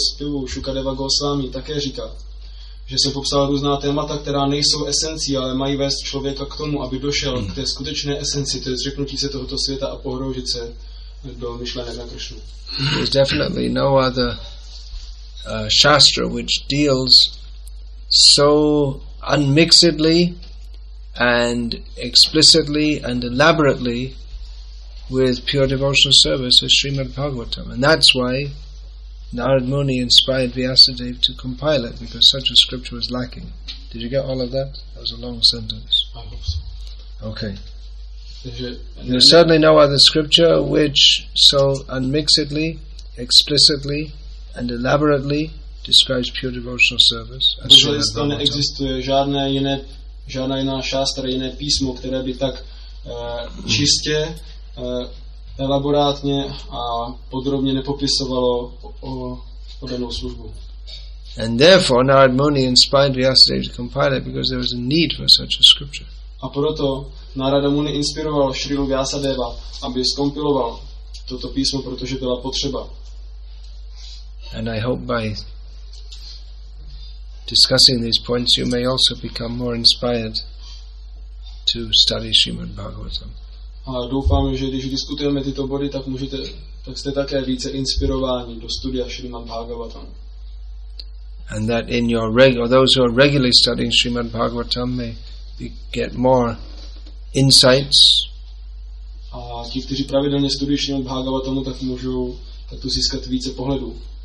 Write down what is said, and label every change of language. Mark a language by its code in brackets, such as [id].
[cs] zpěvu Shukadeva Goswami také říká, že se popsala různá témata, která nejsou esencí, ale mají vést člověka k tomu, aby došel k té skutečné esenci, to je zřeknutí se tohoto světa a pohroužit se do myšlenek na Krishnu. [en] There's definitely no other shastra which deals so unmixedly and explicitly and elaborately with pure devotional service as Srimad Bhagavatam. And that's why Narad Muni inspired Vyasadeva to compile it, because such a scripture was lacking. Did you get all of that? That was a long sentence. I hope so. Okay. There's certainly no other scripture which so unmixedly, explicitly, and elaborately describes pure devotional service. [cs] To neexistuje žádná jiná šástra, jiné písmo, které by tak čistě elaborátně a podrobně nepopisovalo o danou službu. [en] And therefore Narad Muni inspired Vyasadeva to compile it because there was a need for such a scripture. [cs] A proto Narada Muni inspiroval Srilu Vyasadeva, aby skompiloval toto písmo, protože byla potřeba. [en] And I hope by discussing these points you may also become more inspired to study Srimad Bhagavatam. [cs] A doufám, že když diskutujeme tyto body, tak jste také více inspirováni do studia Srimad Bhagavatam. [en] And that in your those who are regularly studying Srimad Bhagavatam may get more insights. [cs] A ti, kteří pravidelně studují Srimad Bhagavatam, tak můžou takto získat více pohledů.